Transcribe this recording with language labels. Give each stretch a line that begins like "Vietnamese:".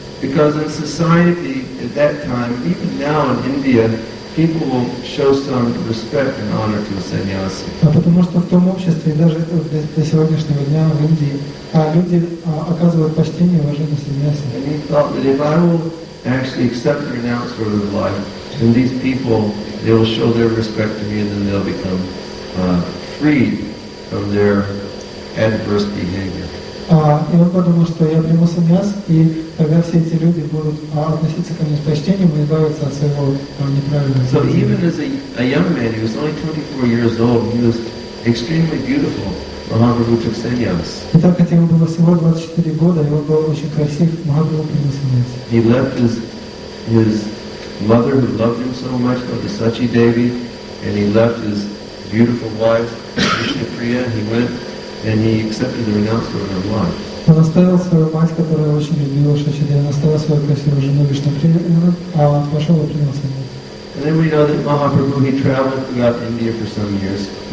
English: Because in society at that time, even now in India, people will show some respect and honor to a sannyasi.
Russian: Потому что в том обществе даже до сегодняшнего дня в Индии люди оказывают почтение уважение сannyasi.
English: And he thought that if I will actually accept and renounce for the life, then these people, they will show their respect to me and then they'll become freed from their adverse behavior.
Russian: И он подумал, что я приму саньяс, и тогда все эти люди будут относиться ко мне с почтением и избавиться от своего неправильного.
English: So even as a young man, he was only 24 years old, he was extremely beautiful. Mahaprabhu took sannyas.
Russian: Итак, хотя ему было всего 24 года, и он был очень красив, Mahaprabhu принял саньяс.
English: He left his mother who loved him so much, the Sachi Devi, and he left his beautiful wife, Vishnupriya, and he went. And he accepted the renouncement of her life. And then we know that Mahaprabhu, he traveled throughout India for some years.